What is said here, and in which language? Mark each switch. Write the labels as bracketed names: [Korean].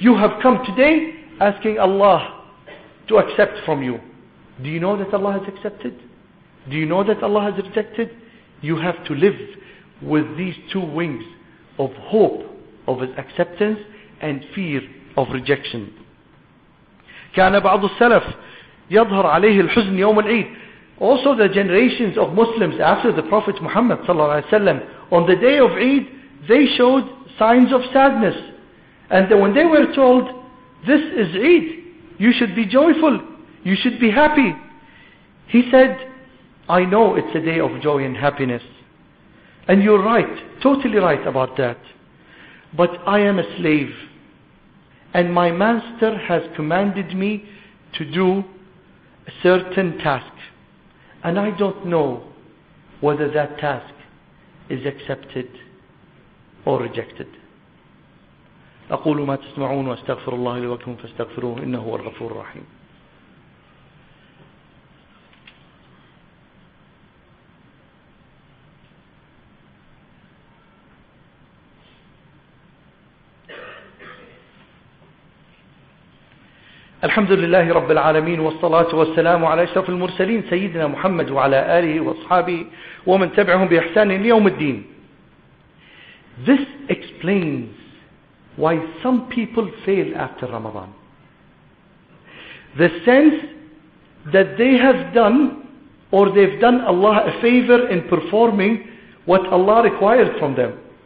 [English] You have come today asking Allah to accept from you. Do you know that Allah has accepted? Do you know that Allah has rejected? You have to live with these two wings of hope of His acceptance and fear of rejection. [Arabic] كان بعض السلف يظهر عليه الحزن يوم العيد. [English] Also the generations of Muslims after the Prophet Muhammad sallallahu alaihi wasallam, on the day of Eid, they showed signs of sadness. And when they were told, this is Eid, you should be joyful, you should be happy, he said, I know it's a day of joy and happiness. And you're right, totally right about that. But I am a slave. And my master has commanded me to do a certain task. And I don't know whether that task is accepted or rejected. [Arabic] أقول ما تسمعون وأستغفر الله لي ولكم فاستغفروه إنه هو الغفور الرحيم. الحمد لله رب العالمين والصلاة والسلام على أشرف المرسلين سيدنا محمد وعلى آله وأصحابه ومن تبعهم بإحسان ليوم الدين. [English] This explains why some people fail after Ramadan. The sense that they have done, or they've done Allah a favor in performing what Allah required from them.